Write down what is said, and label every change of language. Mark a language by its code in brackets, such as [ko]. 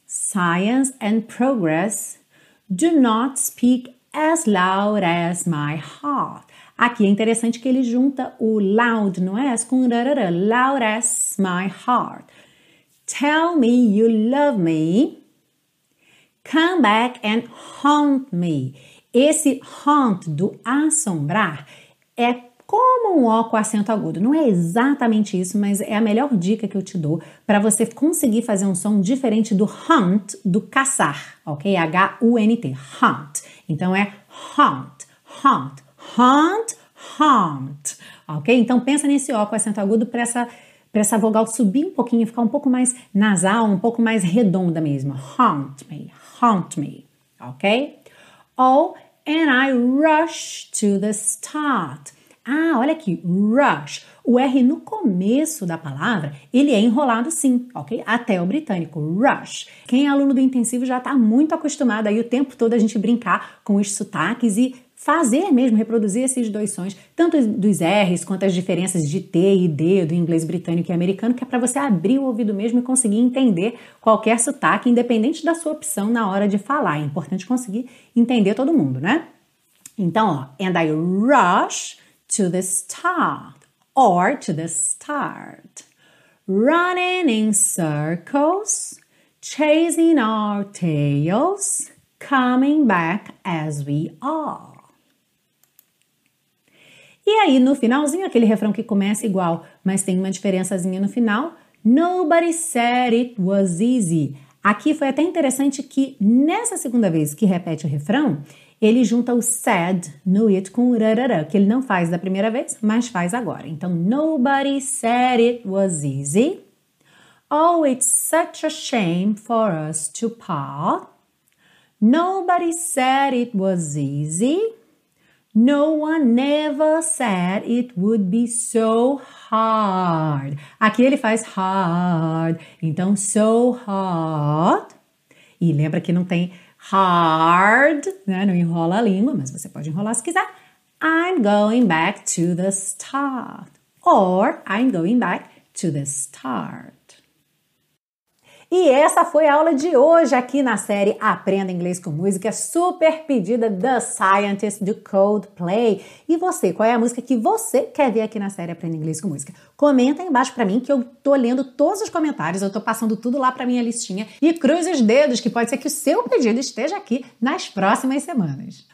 [en] Science and progress do not speak as loud as my heart. [pt] Aqui é interessante que ele junta o loud, não é? [en] Com rarara, loud as my heart. Tell me you love me. Come back and haunt me. [pt] Esse haunt do assombrar é como um O com acento agudo. Não é exatamente isso, mas é a melhor dica que eu te dou para você conseguir fazer um som diferente do hunt, do caçar, ok? [en] H-U-N-T, hunt. [pt] Então é [en] hunt, hunt, hunt, hunt, ok? [pt] Então pensa nesse O com acento agudo para essa vogal subir um pouquinho, ficar um pouco mais nasal, um pouco mais redonda mesmo. [en] Haunt me, ok? Oh, and I rush to the start. [pt] Ah, olha aqui, rush. O R no começo da palavra, ele é enrolado sim, ok? Até o britânico, rush. Quem é aluno do intensivo já está muito acostumado aí o tempo todo a gente brincar com os sotaques e fazer mesmo, reproduzir esses dois sons, tanto dos R's quanto as diferenças de T e D do inglês britânico e americano, que é para você abrir o ouvido mesmo e conseguir entender qualquer sotaque, independente da sua opção na hora de falar. É importante conseguir entender todo mundo, né? Então, ó, [en] and I rush to the start, or to the start. Running in circles, chasing our tails, coming back as we are. [pt] E aí, no finalzinho, aquele refrão que começa igual, mas tem uma diferençazinha no final. [en] Nobody said it was easy. [pt] Aqui foi até interessante que, nessa segunda vez que repete o refrão, ele junta o said no it com o rarara, que ele não faz da primeira vez, mas faz agora. [en] Então, nobody said it was easy. Oh, it's such a shame for us to part. Nobody said it was easy. No one ever said it would be so hard. [pt] Aqui ele faz hard. Então, [en] so hard. [pt] E lembra que não tem hard, né? Não enrola a língua, mas você pode enrolar se quiser. [en] I'm going back to the start. Or, I'm going back to the start. [pt] E essa foi a aula de hoje aqui na série Aprenda Inglês com Música, super pedida, The Scientist do Coldplay. E você, qual é a música que você quer ver aqui na série Aprenda Inglês com Música? Comenta aí embaixo pra mim que eu tô lendo todos os comentários, eu tô passando tudo lá pra minha listinha e cruze os dedos que pode ser que o seu pedido esteja aqui nas próximas semanas.